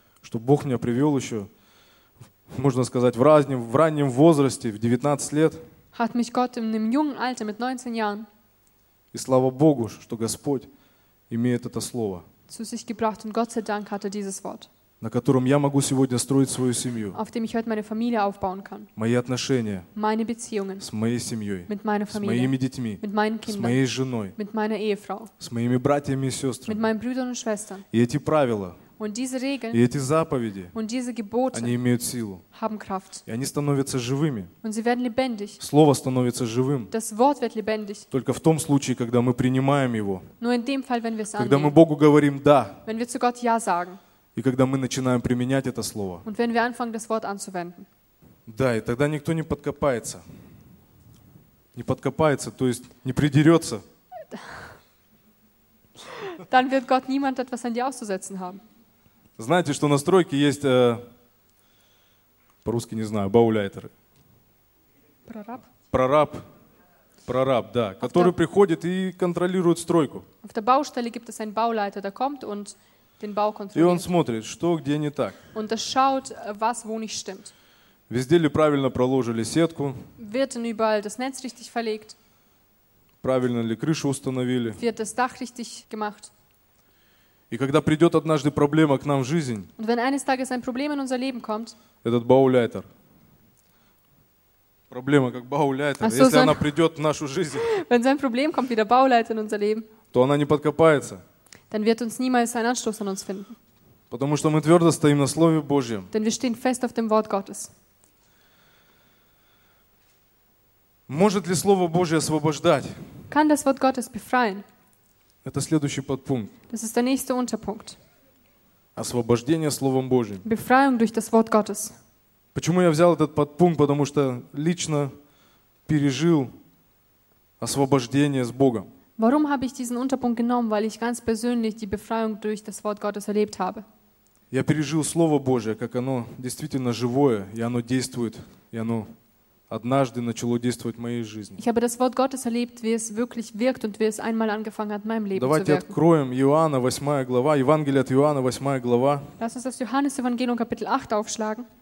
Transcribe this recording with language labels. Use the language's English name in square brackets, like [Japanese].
[Russian] Что Бог меня привел еще, можно сказать, в раннем возрасте, в 19 лет. [German] Hat mich Gott in einem jungen Alter mit 19 Jahren [Russian] и слава Богу, что Господь имеет это слово, [German] zu sich gebracht, und Gott sei Dank hat er dieses Wort. [Russian] на котором я могу сегодня строить свою семью, [German] auf dem ich heute meine Familie aufbauen kann, [Russian] мои отношения [German] meine Beziehungen, [Russian] с моей семьей, [German] mit meiner Familie, [Russian] с моими детьми, [German] mit meinen Kindern, [Russian] с моей женой, [German] mit meiner Ehefrau, [Russian] с моими братьями и сестрами, [German] mit meinen Brüdern und Schwestern. [Russian] И эти правила, [German] und diese Regeln, [Russian] и эти заповеди, [German] und diese Gebote, [Russian] они имеют силу, [German] haben Kraft. [Russian] И они становятся живыми, [German] und sie werden lebendig. [Russian] Слово становится живым, [German] das Wort wird lebendig. [Russian] Только в том случае, когда мы принимаем его, [German] nur in dem Fall, wenn wir es [Russian] когда [German] annehmen. [Russian] Мы Богу говорим «да», [German] wenn wir zu Gott ja sagen. [Russian] И когда мы начинаем применять это слово, [German] und wenn wir anfangen, das Wort anzuwenden. [Russian] Да, и тогда никто не подкопается, не подкопается, то есть не придерется, [German] dann wird Gott niemand etwas an dir auszusetzen haben. [Russian] Знаете, что на стройке есть, по-русски не знаю, бауляйтеры. Прораб. Прораб. Прораб, да. [German] Auf [Russian] который [German] der... [Russian] приходит и контролирует стройку. [German] Auf der Baustelle gibt es einen Bauleiter, der kommt und den Bau kontrolliert. [Russian] И он смотрит, что где не так. [German] Und er schaut, was wo nicht stimmt. [Russian] Везде ли правильно проложили сетку? [German] Wird denn überall das Netz richtig verlegt? [Russian] Правильно ли крышу установили? [German] Wird das Dach richtig gemacht? [Russian] И когда придет однажды проблема к нам в жизнь, [German] und wenn eines Tages ein Problem in unser Leben kommt, [Russian] этот Bauleiter, проблема как Bauleiter, [German] ach so, [Russian] если [German] so [Russian] она придет в нашу жизнь, [German] wenn so ein Problem kommt, wie der Bauleiter in unser Leben, [Russian] то она не подкопается, [German] dann wird uns niemals ein Anstoß an uns finden. [Russian] Потому что мы твердо стоим на Слове Божьем. [German] Denn wir stehen fest auf dem Wort Gottes. [Russian] Может ли Слово Божье освобождать? [German] Kann das Wort Gottes befreien? [Russian] Это следующий подпункт. [German] Das ist der nächste Unterpunkt. [Russian] Освобождение Словом Божьим. [German] Befreiung durch das Wort Gottes. [Russian] Почему я взял этот подпункт? Потому что лично пережил освобождение с Богом. [German] Warum habe ich diesen Unterpunkt genommen? Weil ich ganz persönlich die Befreiung durch das Wort Gottes erlebt habe. [Russian] Я пережил Слово Божье, как оно действительно живое, и оно действует, и оно однажды начало действовать в моей жизни. [German] Ich habe das Wort Gottes erlebt, wie es wirklich wirkt und wie es einmal angefangen hat, in meinem Leben [Russian] Давайте [German] zu wirken. [Russian] Давайте откроем Иоанна, 8 глава, Евангелие от Иоанна, 8 глава. [German] Lass uns das Johannes-Evangelium, Kapitel 8, aufschlagen.